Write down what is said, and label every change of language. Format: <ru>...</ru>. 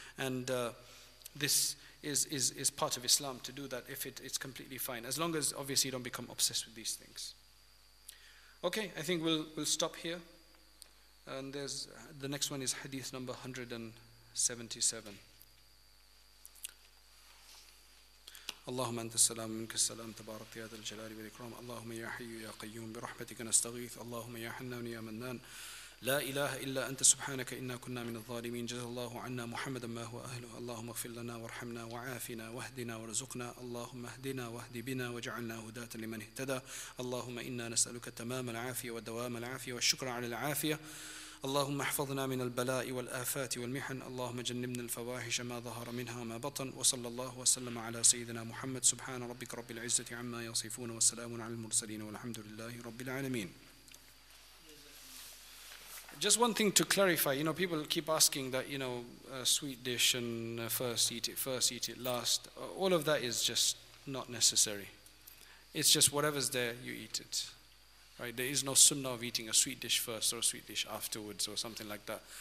<en>And this is part of Islam to do that if it's completely fine. As long as, obviously, you don't become obsessed with these things. Okay, I think we'll stop here. And there's the next one is hadith number 177.</en> <ar>اللهم أنت السلام منك السلام تبارك يا ذا الجلال والإكرام اللهم يا حي يا قيوم برحمتك نستغيث اللهم يا حنان يا منان لا إله إلا أنت سبحانك إنا كنا من الظالمين جزا الله عنا محمدا ما هو أهله اللهم اغفر لنا وارحمنا وعافنا واهدنا وارزقنا اللهم اهدنا واهد بنا واجعلنا هداة لمن اهتدى اللهم إنا نسألك تمام العافية ودوام العافية والشكر على العافية اللهم احفظنا من البلاء والآفات والمحن اللهم جنبنا الفواحش ما ظهر منها وما بطن وصلى الله وسلم على سيدنا محمد سبحان ربك رب العزة عما يصفون والسلام على المرسلين والحمد لله رب العالمين.</ar> <en>Just one thing to clarify, you know, people keep asking that, you know, sweet dish and first eat it last, all of that is just not necessary. It's just whatever's there, you eat it. Right, there is no sunnah of eating a sweet dish first or a sweet dish afterwards or something like that.</en>